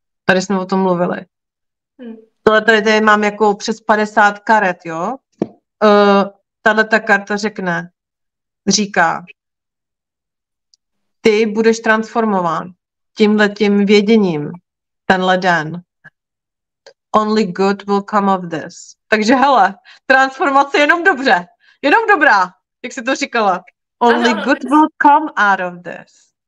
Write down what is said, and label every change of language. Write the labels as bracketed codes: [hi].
[cs] Tady jsme o tom mluvili. Tohle tady mám jako přes 50 karet, jo? Tahle ta karta řekne, říká, ty budeš transformován tímhletím věděním tenhle den. [en] Only good will come of this. [cs] Takže hele, transformace jenom dobře, jenom dobrá, jak jsi to říkala. [en] Only [cs] ano, [en] good will come out of this.